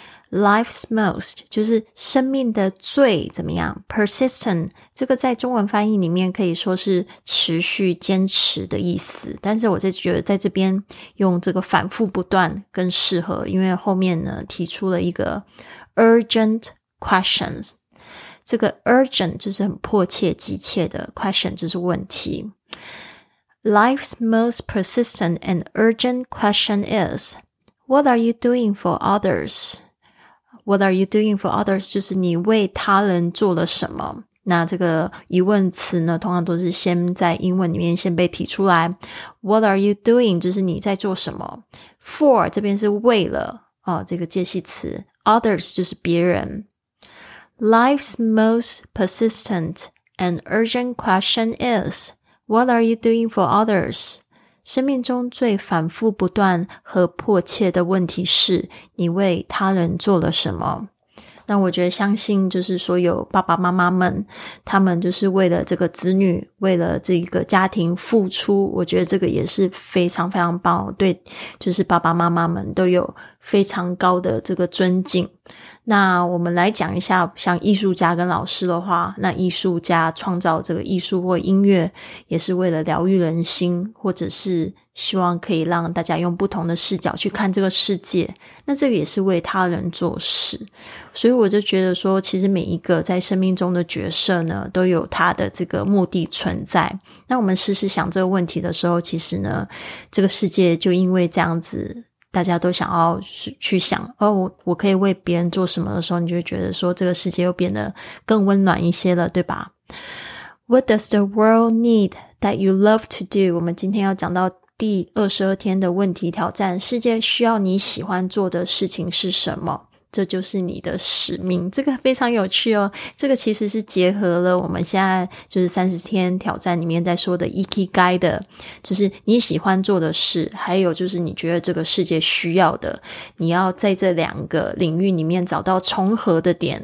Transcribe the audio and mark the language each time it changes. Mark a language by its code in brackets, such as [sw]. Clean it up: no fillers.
[en] Life's most [zh] 就是生命的最怎么样， persistent 这个在中文翻译里面可以说是持续坚持的意思，但是我就觉得在这边用这个反复不断更适合，因为后面呢提出了一个 [en] urgent questions， [zh] 这个 urgent 就是很迫切急切的， question 就是问题。 [en] Life's most persistent and urgent question is, What are you doing for others? What are you doing for others? [zh] 就是你为他人做了什么？那这个疑问词呢，通常都是先在英文里面先被提出来。 [en] What are you doing? [zh] 就是你在做什么。 For, 这边是为了，这个介系词。 Others, 就是别人。 [en] Life's most persistent and urgent question is, What are you doing for others? [zh] 生命中最反复不断和迫切的问题是，你为他人做了什么？那我觉得相信就是所有爸爸妈妈们，他们就是为了这个子女，为了这个家庭付出，我觉得这个也是非常非常棒，对就是爸爸妈妈们都有非常高的这个尊敬。那我们来讲一下像艺术家跟老师的话，那艺术家创造这个艺术或音乐也是为了疗愈人心，或者是希望可以让大家用不同的视角去看这个世界，那这个也是为他人做事。所以我就觉得说，其实每一个在生命中的角色呢，都有他的这个目的存在。那我们时时想这个问题的时候，其实呢这个世界就因为这样子，大家都想要去想，哦，我可以为别人做什么的时候，你就觉得说这个世界又变得更温暖一些了，对吧？ [en] What does the world need that you love to do? [zh] 我们今天要讲到第22天的问题挑战，世界需要你喜欢做的事情是什么？这就是你的使命。这个非常有趣哦，这个其实是结合了我们现在就是30天挑战里面在说的 Ikigai 的，就是你喜欢做的事，还有就是你觉得这个世界需要的，你要在这两个领域里面找到重合的点。